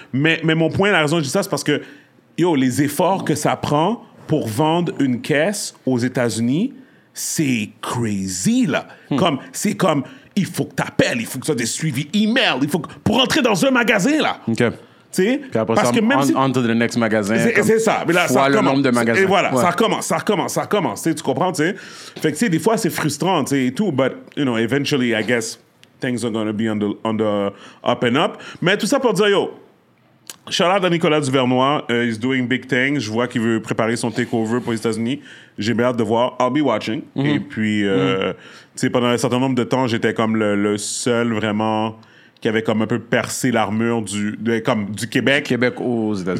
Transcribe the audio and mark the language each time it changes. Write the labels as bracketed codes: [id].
[fr] Mais mon point, la raison que je dis ça, c'est parce que, yo, les efforts que ça prend pour vendre une caisse aux États-Unis, c'est crazy, là. C'est comme, il faut que t'appelles, il faut que tu aies des suivis e-mail, il faut que, pour entrer dans un magasin, là. OK. Tu sais? Puis après parce ça, que même [en] on to the next [fr] magasin. C'est ça. Mais là, ça le nombre de magasins. Et voilà, ça recommence. Tu comprends, tu sais? Fait que, tu sais, des fois, c'est frustrant, tu sais, et tout. [en] But, you know, eventually, I guess, things are gonna be on the up and up. [fr] Mais tout ça pour dire, yo... Shout-out à Nicolas Duvernois. [en] He's doing big things. [fr] Je vois qu'il veut préparer son takeover pour les États-Unis. J'ai bien hâte de voir. [en] I'll be watching. [fr] Mm-hmm. Et puis, tu sais, pendant un certain nombre de temps, j'étais comme le seul vraiment qui avait comme un peu percé l'armure du Québec. Québec aux États-Unis.